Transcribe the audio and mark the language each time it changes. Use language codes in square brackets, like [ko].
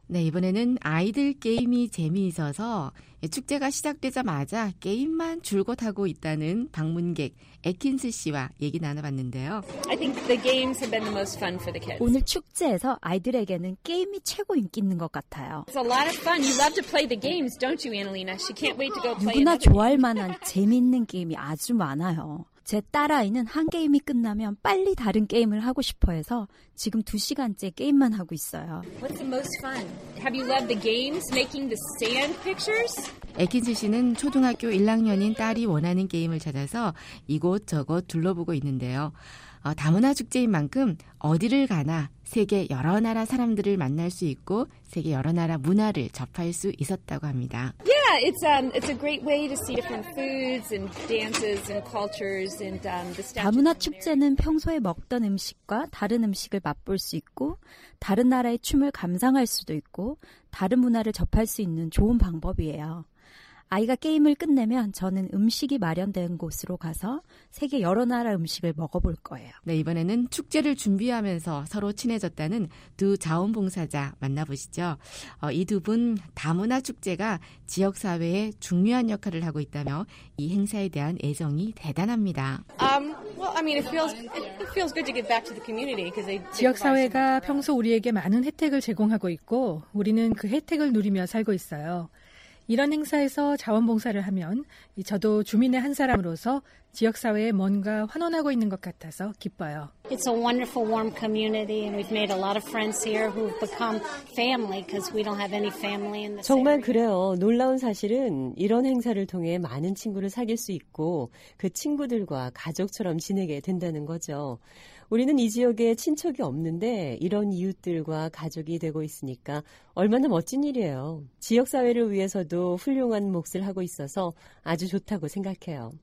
[ko] 네, 이번에는 아이들 게임이 재미있어서 축제가 시작되자마자 게임만 줄곧 하고 있다는 방문객 에킨스 씨와 얘기 나눠봤는데요. [en] I think the games have been the most fun for the kids. [ko] 오늘 축제에서 아이들에게는 게임이 최고 인기 있는 것 같아요. [en] It's a lot of fun. You love to play the games, don't you, Annalena? She can't wait to go play. [ko] 누구나 좋아할 만한 재미있는 게임이 아주 많아요. 제 딸아이는 한 게임이 끝나면 빨리 다른 게임을 하고 싶어 해서 지금 두 시간째 게임만 하고 있어요. [en] What's the most fun? Have you loved the games, making the sand pictures? [ko] 에킨스 씨는 초등학교 1학년인 딸이 원하는 게임을 찾아서 이곳저곳 둘러보고 있는데요. 다문화 축제인 만큼 어디를 가나 세계 여러 나라 사람들을 만날 수 있고 세계 여러 나라 문화를 접할 수 있었다고 합니다. [en] Yeah, it's a great way to see different foods and dances and cultures and the statues. [ko] 다문화 축제는 평소에 먹던 음식과 다른 음식을 맛볼 수 있고 다른 나라의 춤을 감상할 수도 있고 다른 문화를 접할 수 있는 좋은 방법이에요. 아이가 게임을 끝내면 저는 음식이 마련된 곳으로 가서 세계 여러 나라 음식을 먹어볼 거예요. 네, 이번에는 축제를 준비하면서 서로 친해졌다는 두 자원봉사자 만나보시죠. 이 두 분 다문화 축제가 지역사회에 중요한 역할을 하고 있다며 이 행사에 대한 애정이 대단합니다. [en] It feels good to give back to the community because they [ko] 지역사회가 평소 우리에게 많은 혜택을 제공하고 있고 우리는 그 혜택을 누리며 살고 있어요. 이런 행사에서 자원봉사를 하면 저도 주민의 한 사람으로서 지역사회에 뭔가 환원하고 있는 것 같아서 기뻐요. [en] It's a wonderful, warm community and we've made a lot of friends here who've become family because we don't have any family in the city. [ko] 정말 그래요. 놀라운 사실은 이런 행사를 통해 많은 친구를 사귈 수 있고 그 친구들과 가족처럼 지내게 된다는 거죠. 우리는 이 지역에 친척이 없는데 이런 이웃들과 가족이 되고 있으니까 얼마나 멋진 일이에요. 지역사회를 위해서도 훌륭한 몫을 하고 있어서 아주 좋다고 생각해요.